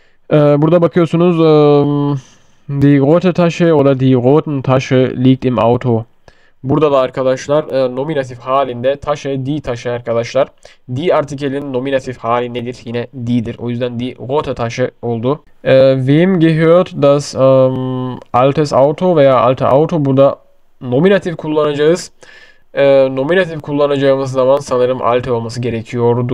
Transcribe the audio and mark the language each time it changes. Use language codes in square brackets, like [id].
[tr] Burada bakıyorsunuz [de] die rote Tasche oder die roten Tasche liegt im Auto. [tr] Burada da arkadaşlar nominatif halinde taşe, di taşe arkadaşlar. Di artikelinin nominatif hali nedir? Yine di'dir. O yüzden di rote taşe oldu. [de] Wem gehört das altes Auto veya alte Auto? [tr] Burada nominatif kullanacağız. Nominatif kullanacağımız zaman sanırım alte olması gerekiyordu.